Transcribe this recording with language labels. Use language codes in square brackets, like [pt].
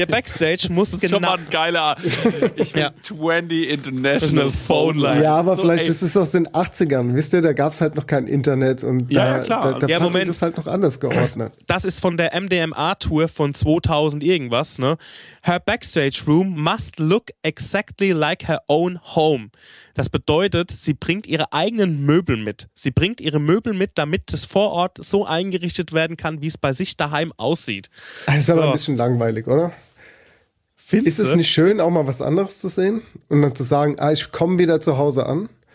[de] Ihr Backstage muss das ist schon mal ein geiler. Ich will 20 [en] International Phone Lines. [de] Ja, aber so, vielleicht ist es aus den 80ern. Wisst ihr, da gab es halt noch kein Internet und ja, da Moment. Das halt noch anders geordnet. Das ist von der MDMA-Tour von 2000 irgendwas, ne? [en] Her Backstage Room must look exactly like her own home. [de] Das bedeutet, sie bringt ihre eigenen Möbel mit. Sie bringt ihre Möbel mit, damit das vor Ort so eingerichtet werden kann, wie es bei sich daheim aussieht. Das ist aber ein bisschen langweilig, oder? Findest ist es du? Nicht schön, auch mal was anderes zu sehen und dann zu sagen, ah, ich komme wieder zu Hause an?